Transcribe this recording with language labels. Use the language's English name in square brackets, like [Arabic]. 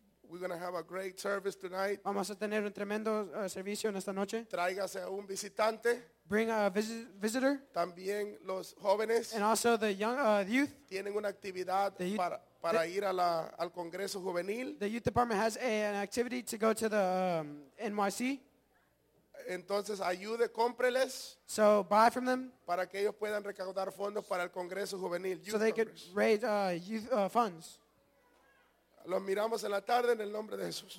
[English] We're going to have a great service tonight. [Spanish] Vamos a tener un tremendo servicio en esta noche. Tráigase a un visitante. [English] Bring a visitor. [Spanish] También los jóvenes. [English] And also the young youth. [Spanish] Tienen una actividad para ir a la, al Congreso Juvenil. [English] The youth department has an activity to go to the NYC. [Spanish] Entonces ayude, cómpreles. [English] So buy from them. [Spanish] Para que ellos puedan recaudar fondos para el Congreso Juvenil. [English] So they could raise youth funds. [Spanish] Los miramos en la tarde en el nombre de Jesús.